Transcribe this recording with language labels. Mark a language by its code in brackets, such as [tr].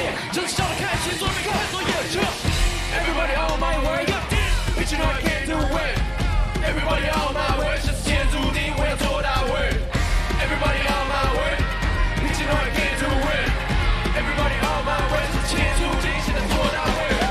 [zh] 就是笑得开心，所以没看所有车。 [en] Everybody on my way, bitch, you know I can't do it. Everybody on my way, [zh] 这是天注定我要做大位。 [en] Everybody on my way, bitch, you know I can't do it. Everybody on my way, [zh] 这是天注定现在做大位。